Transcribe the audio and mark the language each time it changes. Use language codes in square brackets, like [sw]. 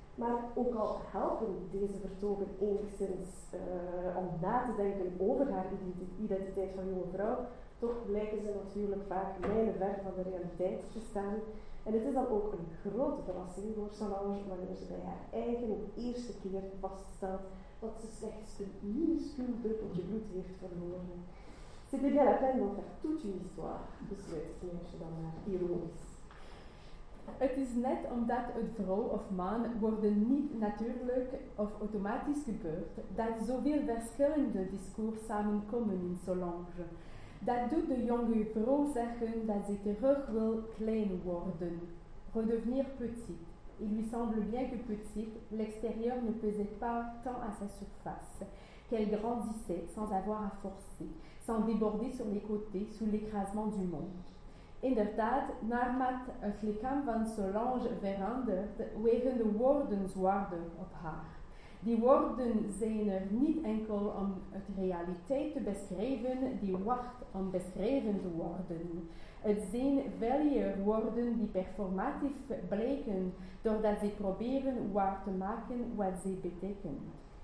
[nl] Maar ook al helpen deze vertogen enigszins om na te denken over haar identiteit van jonge vrouw, toch blijken ze natuurlijk vaak mijlenver van de realiteit te staan. En het is dan ook een grote verrassing voor Solange wanneer ze bij haar eigen eerste keer vaststelt dat ze slechts een minuscuul druppeltje bloed heeft verloren. [fr] C'est déjà la peine d'en faire toute une histoire, [nl] besluit het meisje dan maar ironisch. Het is net omdat het vrouw of man worden niet natuurlijk of automatisch gebeurt, dat zoveel verschillende discours samenkomen in Solange. Dat doet de jonge vrouw zeggen dat ze terug wil klein worden, [fr] redevenir petit. Il lui semble bien que petit, l'extérieur ne pesait pas tant à sa surface, qu'elle grandissait sans avoir à forcer, sans déborder sur les côtés sous l'écrasement du monde. [nl] Inderdaad, naarmate het lichaam van Solange verandert, wegen de woorden zwaarder op haar. Die woorden zijn er niet enkel om het realiteit te beschrijven, die wacht om beschreven te worden. Het zijn velier woorden die performatief blijken, doordat ze proberen waar te maken wat ze betekenen.